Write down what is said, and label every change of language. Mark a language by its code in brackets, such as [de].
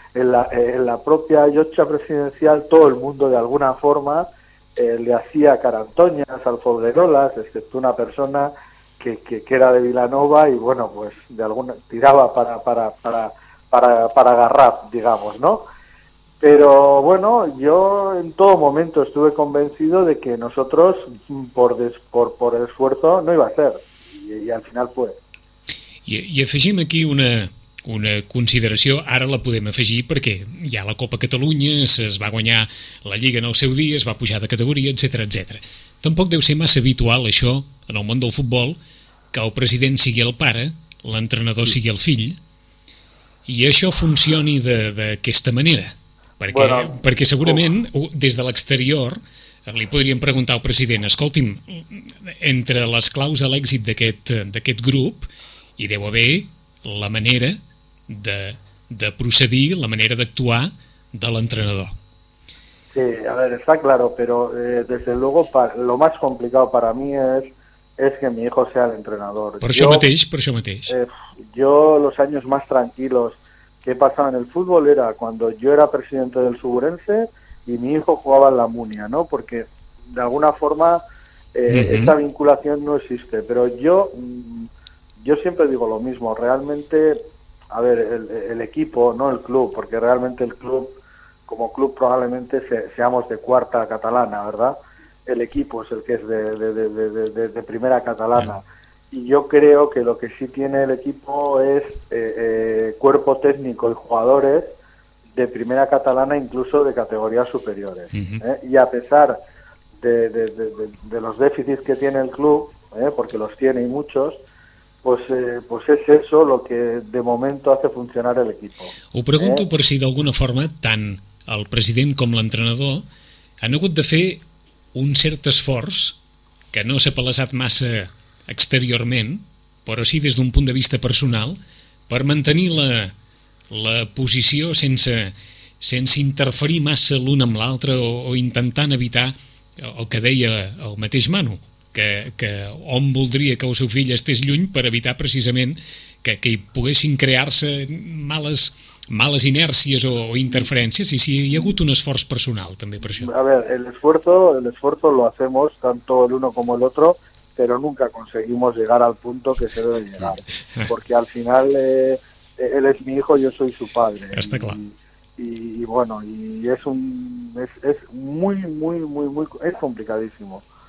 [es] En la propia Llotja presidencial, todo el mundo de alguna forma le hacía carantoñas al Folguerolas, excepto una persona que era de Vilanova y, bueno, pues de alguna tiraba para agarrar, digamos, ¿no? Pero bueno, yo en todo momento estuve convencido de que nosotros, por el esfuerzo, no iba a ser. Y al final fue. [ca] Y afegim aquí una consideració, ara la podem afegir perquè hi ha la Copa Catalunya, es va guanyar la Lliga en el seu dia, es va pujar de categoria, etc. Tampoc deu ser massa habitual això en el món del futbol, que el president sigui el pare, l'entrenador sigui el fill, i això funcioni d'aquesta manera. Perquè, bueno, perquè segurament des de l'exterior li podríem preguntar al president, escolti'm, entre les claus de l'èxit d'aquest grup hi deu haver la manera de procedir, la manera d'actuar de l'entrenador. [es] Sí, a ver, está claro, pero desde luego lo más complicado para mí es que mi hijo sea el entrenador. [ca] Por això mateix. [es] Yo los años más tranquilos que he pasado en el fútbol era cuando yo era presidente del Suburense y mi hijo jugaba en la Munia, ¿no? Porque de alguna forma esa vinculación no existe. Pero yo siempre digo lo mismo, realmente, a ver, el equipo, no el club, porque realmente el club, como club probablemente seamos de cuarta catalana, ¿verdad? El equipo es el que es de primera catalana. Y yo creo que lo que sí tiene el equipo es cuerpo técnico y jugadores de primera catalana, incluso de categorías superiores. Uh-huh. Y a pesar de los déficits que tiene el club, porque los tiene y muchos, pues es eso lo que de momento hace funcionar el equipo. [ca] Ho pregunto por si d'alguna forma tant el president com l'entrenador han hagut de fer un cert esforç que no s'ha palesat massa exteriorment, però sí des d'un punt de vista personal, per mantenir la posició sense interferir massa l'un amb l'altre o intentant evitar el que deia el mateix Manu, que on voldria que el seu fill estigués lluny per evitar precisament que hi poguessin crear-se males inèrcies o interferències, i si hi ha hagut un esforç personal també per això. [es] A ver, el esfuerzo lo hacemos tanto el uno como el otro, pero nunca conseguimos llegar al punto que se debe llegar, porque al final él es mi hijo, yo soy su padre. Está claro. Y bueno, y es muy, muy, muy, muy, es complicadísimo.